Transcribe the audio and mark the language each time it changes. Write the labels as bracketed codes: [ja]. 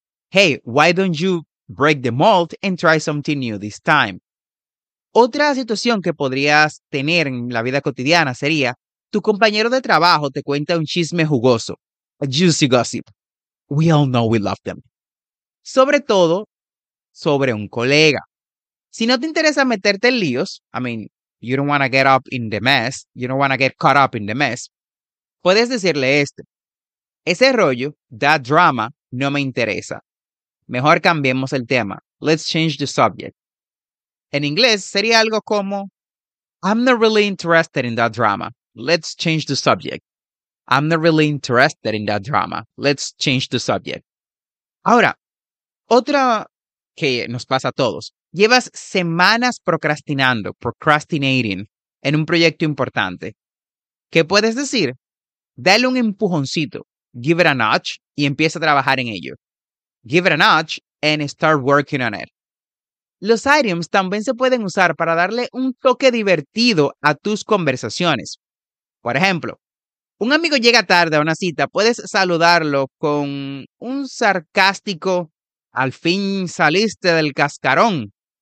[en] Hey, why don't you break the mold and try something new this time? [es] Otra situación que podrías tener en la vida cotidiana sería, tu compañero de trabajo te cuenta un chisme jugoso, [en] a juicy gossip. We all know we love them. [es] Sobre todo, sobre un colega. Si no te interesa meterte en líos, [en] I mean, you don't want to get up in the mess, you don't want to get caught up in the mess, [es] puedes decirle esto. Ese rollo, [en] that drama, [es] no me interesa. Mejor cambiemos el tema. [en] Let's change the subject. [es] En inglés sería algo como, [en] I'm not really interested in that drama. Let's change the subject. I'm not really interested in that drama. Let's change the subject. [es] Ahora, otra que nos pasa a todos. Llevas semanas procrastinating en un proyecto importante. ¿Qué puedes decir? Dale un empujoncito. [en] Give it a notch [es] y empieza a trabajar en ello. [en] Give it a notch and start working on it. [es] Los idioms también se pueden usar para darle un toque divertido a tus conversaciones. Por ejemplo, un amigo llega tarde a una cita, puedes saludarlo con un sarcástico, al fin saliste del cascarón.